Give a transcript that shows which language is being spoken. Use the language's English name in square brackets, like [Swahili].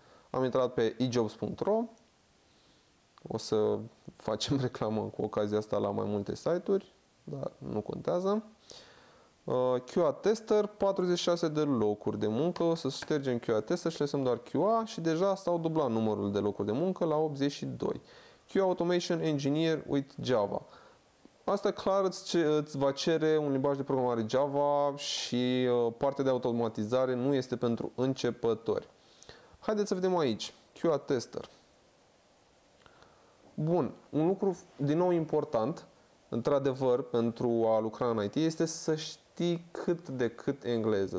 [Romanian] Am intrat pe ejobs.ro. O să facem reclamă cu ocazia asta la mai multe site-uri, dar nu contează. QA tester, 46 de locuri de muncă. O să ștergem QA tester și lăsăm doar QA și deja s-au dublat numărul de locuri de muncă la 82. [English] QA automation engineer with Java. [Romanian] Asta clar îți va cere un limbaj de programare Java și partea de automatizare nu este pentru începători. Haideți să vedem aici. QA tester. Bun. Un lucru din nou important, într-adevăr, pentru a lucra în IT este să știi cât de cât engleză.